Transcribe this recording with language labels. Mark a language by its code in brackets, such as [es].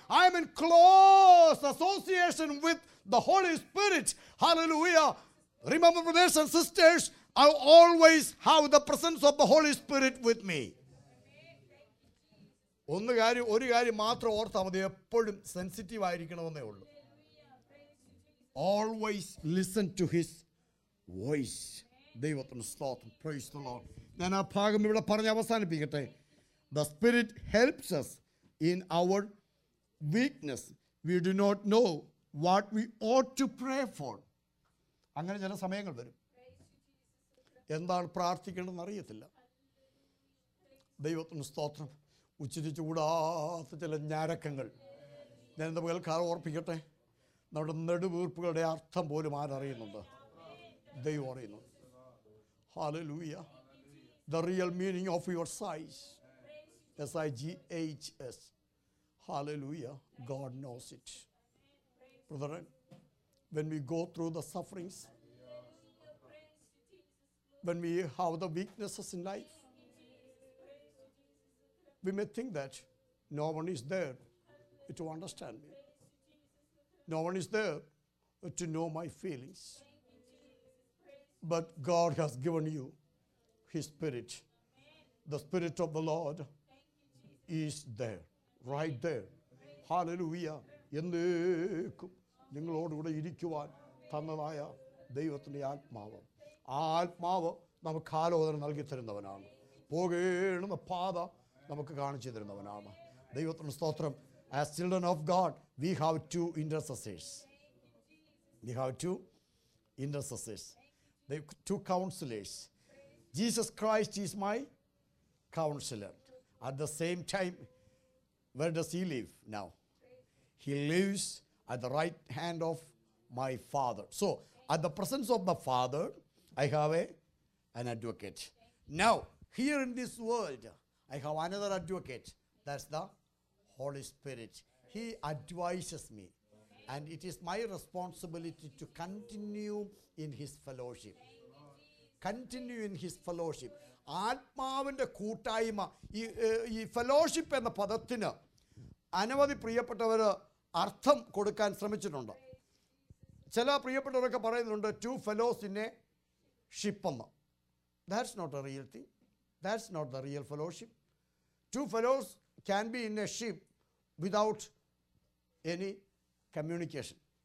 [en] I am in close association with the Holy Spirit. Hallelujah. Remember, brothers and sisters, I always have the presence of the Holy Spirit with me. [ml] ഒന്ന് കാര്യം, ഒരു കാര്യം മാത്രം ഓർത്താൽ മതി, എപ്പോഴും sensitive ആയിരിക്കണമെന്നേ ഉള്ളൂ. [en] Always listen to his voice. [ml] ദൈവത്തിന് സ്തോത്രം. [en] Praise the Lord. [ml] ഞാൻ ആ ഭാഗം ഇവിടെ പറഞ്ഞ് അവസാനിപ്പിക്കട്ടെ. [en] The spirit helps us in our weakness. We do not know what we ought to pray for. [ml] അങ്ങനെ ചില സമയങ്ങൾ വരും, എന്താണ് പ്രാർത്ഥിക്കേണ്ടതെന്ന് അറിയത്തില്ല. ദൈവത്തിന് സ്തോത്രം. ഉച്ചരിച്ചു കൂടാത്ത ചില ഞാരക്കങ്ങൾ. ഞാൻ എന്റെ മുകൾക്കാർ ഓർപ്പിക്കട്ടെ, നമ്മുടെ നെടുവീർപ്പുകളുടെ അർത്ഥം പോലും ആരറിയുന്നുണ്ട്? ദൈവം അറിയുന്നു. Hallelujah. [en] The real meaning of your size. S-I-G-H-S. Hallelujah. God knows it. Brethren, when we go through the sufferings, when we have the weaknesses in life, we may think that no one is there to understand me. No one is there to know my feelings. But God has given you His Spirit. The Spirit of the Lord is there, right there. Hallelujah. [ml] എന്നേക്കും നിങ്ങളോടുകൂടെ ഇരിക്കുവാൻ തന്നതായ ദൈവത്തിൻ്റെ ആത്മാവ്. ആത്മാവ് നമുക്ക് ആലോചന നൽകി തരുന്നവനാണ്. പോകേണ്ട പാത നമുക്ക് കാണിച്ചു തരുന്നവനാണ്. ദൈവത്തിൻ്റെ സ്തോത്രം. [en] As children of God, we have two intercessors. We have two intercessors. They two counselors. Jesus Christ is my counselor. At the same time, where does he live now? He lives at the right hand of my Father. So, at the presence of the Father, I have an advocate. Now, here in this world, I have another advocate. That's the Holy Spirit. He advises me. And it is my responsibility to continue in his fellowship. Continue in his fellowship. [ml] ആത്മാവിൻ്റെ കൂട്ടായ്മ. ഈ fellowship എന്ന പദത്തിന് അനവധി പ്രിയപ്പെട്ടവർ അർത്ഥം കൊടുക്കാൻ ശ്രമിച്ചിട്ടുണ്ട്. ചില പ്രിയപ്പെട്ടവരൊക്കെ പറയുന്നുണ്ട് [en] two fellows in a [ml] ഷിപ്പെന്ന്. [en] That's not a real thing. That's not the real fellowship. Two fellows can be in a ship without any communication.